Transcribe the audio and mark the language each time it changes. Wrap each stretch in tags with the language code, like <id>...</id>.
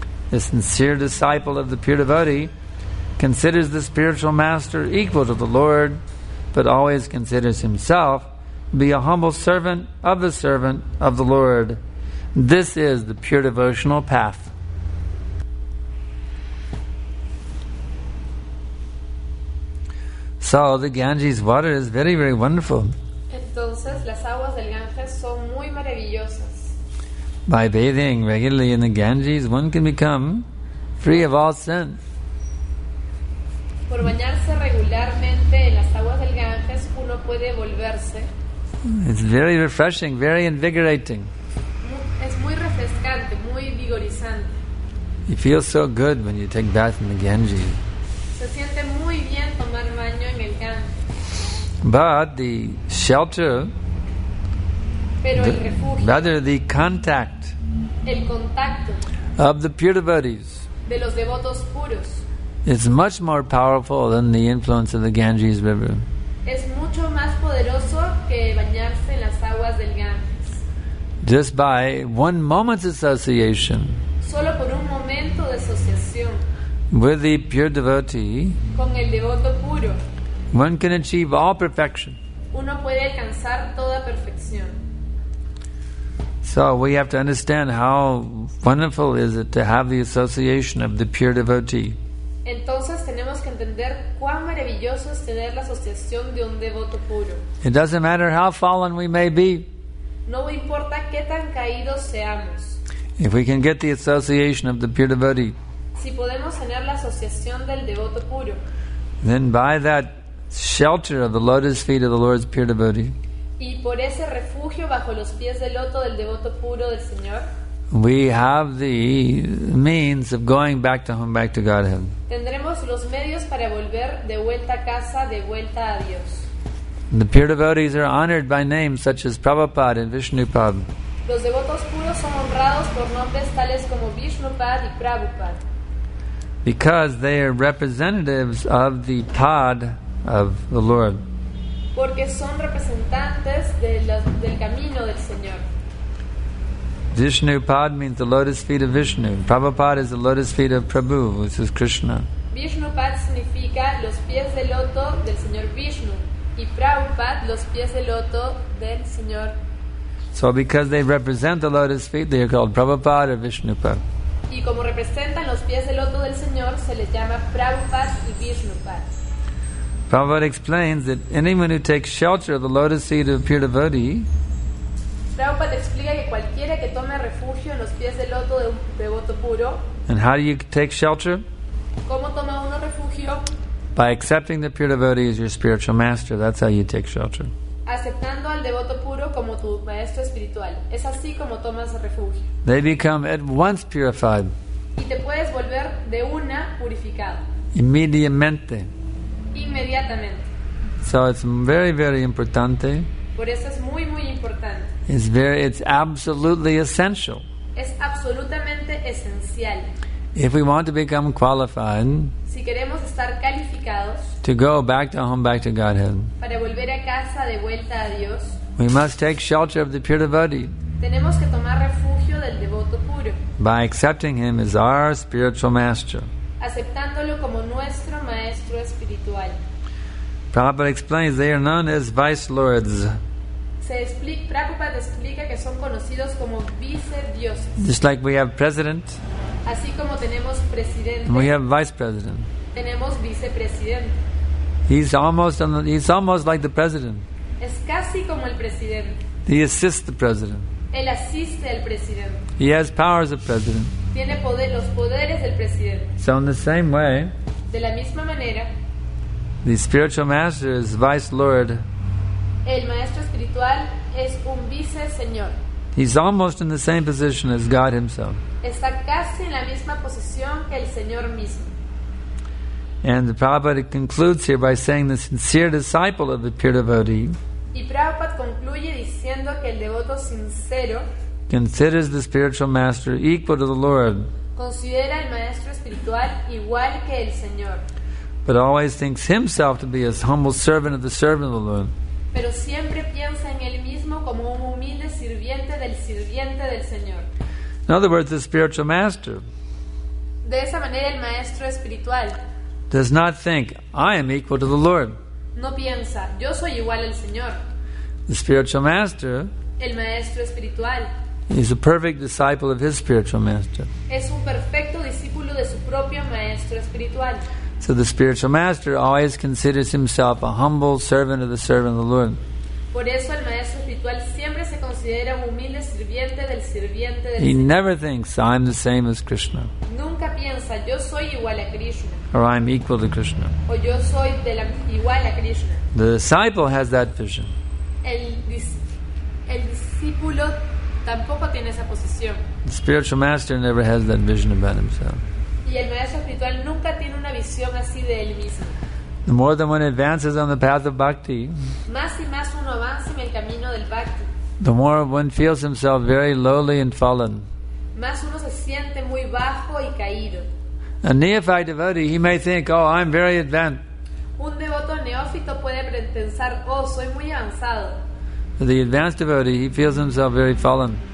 <en>The sincere disciple of the pure devotee considers the spiritual master equal to the Lord, but always considers himself to be a humble servant of the Lord. This is the pure devotional path. So the Ganges water is very, very wonderful.</en> <es>Entonces, las aguas del Ganges son muy maravillosas.</es> <en>By bathing regularly in the Ganges, one can become free of all sin.</en> <es>Por bañarse regularmente en las aguas del Ganges, uno puede volverse.</es> <en>It's very refreshing, very invigorating.</en> <es>Es muy refrescante, muy vigorizante.</es> <en>You feel so good when you take bath in the Ganges.</en> <es>Se siente muy bien tomar baño en el Ganges.</es> <en>But the shelter,</en> <es>pero el refugio,</es> <en>rather the contact,</en> <es>el contacto,</es> <en>of the pure devotees,</en> <es>de los devotos puros,</es> <en>it's much more powerful than the influence of the Ganges River.</en> <es>Es mucho más poderoso que bañarse en las aguas del Ganges.</es> <en>Just by one moment's association,</en> <es>solo por un momento de asociación,</es> <en>with the pure devotee,</en> <es>con el devoto puro,</es> <en>one can achieve all perfection.</en> <es>Uno puede alcanzar toda perfección.</es> <en>So we have to understand how wonderful is it to have the association of the pure devotee.</en> <es>Entonces tenemos que entender cuán maravilloso es tener la asociación de un devoto puro.</es> <en>It doesn't matter how fallen we may be.</en> <es>No importa qué tan caídos seamos.</es> <en>If we can get the association of the pure devotee,</en> <es>si podemos tener la asociación del devoto puro,</es> <en>then by that shelter of the lotus feet of the Lord's pure devotee,</en> <es>y por ese refugio bajo los pies del loto del devoto puro del Señor,</es> <en>we have the means of going back to home, back to Godhead.</en> <es>Tendremos los medios para volver de vuelta a casa, de vuelta a Dios.</es> <en>The pure devotees are honored by names such as Prabhupada and Vishnupada.</en> <es>Los devotos puros son honrados por nombres tales como Vishnupada y Prabhupada.</es> <en>Because they are representatives of the pad of the Lord.</en> <es>Porque son representantes del camino del Señor.</es> <en>Vishnupad means the lotus feet of Vishnu. Prabhupada is the lotus feet of Prabhu, which is Krishna.</en> <es>Vishnupad significa los pies de loto del Señor Vishnu. Y Prabhupada, los pies de loto del Señor.</es> <en>So because they represent the lotus feet, they are called Prabhupada or Vishnupad.</en> <es>Y como representan los pies de loto del Señor, se les llama Prabhupada y Vishnupad.</es> <en>Prabhupada explains that anyone who takes shelter of the lotus feet of pure devotee,</en> <es>Prabhupada explica que cualquiera que tome refugio en los pies del loto de un devoto puro.</es> <en>And how do you take shelter?</en> <es>¿Cómo toma uno refugio?</es> <en>By accepting the pure devotee as your spiritual master. That's how you take shelter.</en> <es>Aceptando al devoto puro como tu maestro espiritual. Es así como tomas refugio.</es> <en>They become at once purified.</en> <es>Y te puedes volver de una purificado. Inmediatamente. Inmediatamente.</es> <en>So it's very, very importante.</en> <es>Por eso es muy, muy importante.</es> <en>It's absolutely essential.</en> <es>Es absolutamente esencial.</es> <en>If we want to become qualified,</en> <es>si queremos estar calificados,</es> <en>to go back to home, back to Godhead,</en> <es>para volver a casa, de vuelta a Dios,</es> <en>we must take shelter of the pure devotee.</en> <es>Tenemos que tomar refugio del devoto puro.</es> <en>By accepting him as our spiritual master.</en> <es>Aceptándolo como nuestro maestro espiritual.</es> <en>Prabhupada explains they are known as vice lords.</en> <es>Prabhupada explica que son conocidos como vice dioses.</es> <en>Just like we have president.</en> <es>Así como tenemos presidente.</es> <en>And we have vice president.</en> <es>Tenemos vicepresidente.</es> <en>He's almost like the president.</en> <es>Es casi como el presidente.</es> <en>He assists the president.</en> <es>Él asiste al presidente.</es> <en>He has powers of president.</en> <es>Tiene poder, los poderes del presidente.</es> <en>So in the same way,</en> <es>de la misma manera,</es> <en>the spiritual master is vice lord.</en> <es>El maestro espiritual es un vice señor.</es> <en>He's almost in the same position as God himself.</en> <es>Está casi en la misma posición que el Señor mismo.</es> <en>And the Prabhupada concludes here by saying the sincere disciple of the pure devotee,</en> <es>y Prabhupada concluye diciendo que el devoto sincero,</es> <en>considers the spiritual master equal to the Lord,</en> <es>considera el maestro espiritual igual que el Señor,</es> <en>but always thinks himself to be a humble servant of the servant of the Lord.</en> <es>Pero siempre piensa en él mismo como un humilde sirviente del Señor.</es> <en>In other words, the spiritual master,</en> <es>de esa manera el maestro espiritual,</es> <en>does not think, I am equal to the Lord.</en> <es>No piensa, yo soy igual al Señor.</es> <en>The spiritual master,</en> <es>el maestro espiritual,</es> <en>is a perfect disciple of his spiritual master.</en> <es>Es un perfecto discípulo de su propio maestro espiritual.</es> <en>So the spiritual master always considers himself a humble servant of the servant of the Lord.</en> <es>Por eso el maestro espiritual siempre se considera un humilde sirviente del sirviente del</es> <en>Señor. He never thinks, I'm the same as Krishna.</en> <es>Nunca piensa, yo soy igual a Krishna.</es> <en>Or I'm equal to Krishna.</en> <es>O yo soy de la, igual a Krishna.</es> <en>The disciple has that vision.</en> <es>El discípulo tampoco tiene esa posición.</es> <en>The spiritual master never has that vision about himself.</en> <es>Y el maestro espiritual nunca tiene una visión así de él mismo.</es> <en>The more that one advances on the path of bhakti,</en> <es>más y más uno avanza en el camino del bhakti,</es> <en>the more one feels himself very lowly and fallen.</en> <es>Más uno se siente muy bajo y caído.</es> <en>A neophyte devotee, he may think, oh, I'm very advanced.</en> <es>Un devoto neófito puede pensar, oh, soy muy avanzado.</es> <en>But the advanced devotee, he feels himself very fallen.</en>